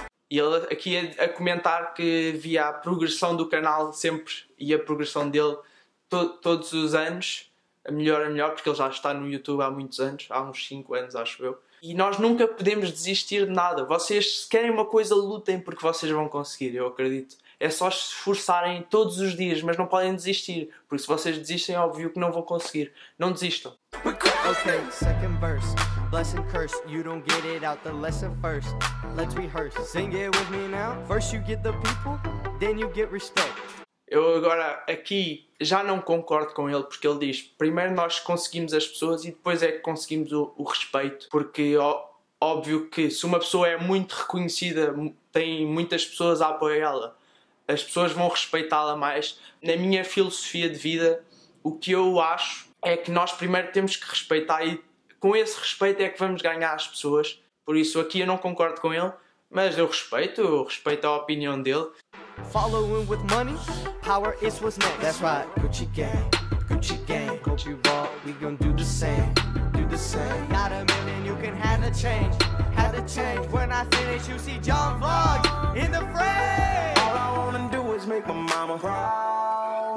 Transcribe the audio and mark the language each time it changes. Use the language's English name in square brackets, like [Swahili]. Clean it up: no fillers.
[Portuguese] E ele aqui a comentar que via a progressão do canal sempre e a progressão dele todos os anos, a melhor, porque ele já está no YouTube há muitos anos, há uns 5 anos acho eu. E nós nunca podemos desistir de nada. Vocês, se querem uma coisa, lutem porque vocês vão conseguir, eu acredito. É só se esforçarem todos os dias, mas não podem desistir, porque se vocês desistem, é óbvio que não vão conseguir. Não desistam. [English] Okay, second verse. Bless and curse, you don't get it out the lesson first. Let's rehearse. Sing it with me now. First you get the people, then you get respect. [Portuguese] Eu agora aqui já não concordo com ele, porque ele diz: primeiro nós conseguimos as pessoas e depois é que conseguimos o respeito. Porque óbvio que se uma pessoa é muito reconhecida, tem muitas pessoas a apoiá-la, as pessoas vão respeitá-la mais. Na minha filosofia de vida, o que eu acho é que nós primeiro temos que respeitar e com esse respeito é que vamos ganhar as pessoas. Por isso aqui eu não concordo com ele, mas eu respeito a opinião dele. [English] Following with money, power is what's next. That's right, Gucci gang, Gucci gang. Hope you bought, we gon' do the same, do the same. Got a million, you can have the change, have the change. When I finish, you see John Vlog in the frame. All I wanna do is make my mama proud.